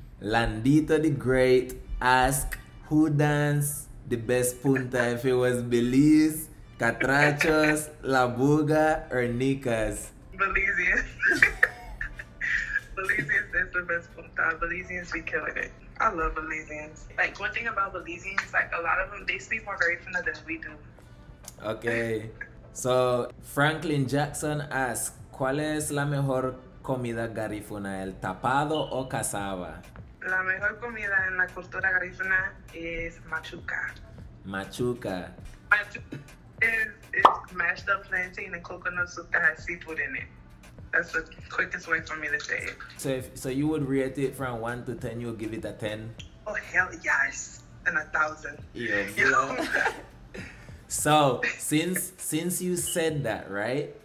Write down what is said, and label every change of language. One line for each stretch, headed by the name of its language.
English: Landita the Great ask who danced the best punta, if it was Belize, Catrachos, La Buga, or Nicas? Belize. Belizeans is the best punta. Belizeans be killing it. I love Belizeans. Like, one thing about Belizeans, like, a lot of them, they speak more Garifuna than we do. Okay. So, Franklin Jackson asks,
Spanish: ¿cuál es la mejor comida Garifuna, el tapado o cazaba? La mejor comida en la cultura Garifuna
English: is machuca. Machuca. Machuca is mashed up plantain and coconut soup that has seafood in it. That's the quickest way for me to say it. So you would rate it from 1 to 10, you'll give it a 10? Oh, hell yes. And a 1,000. Yeah, you know? So, since you said that, right?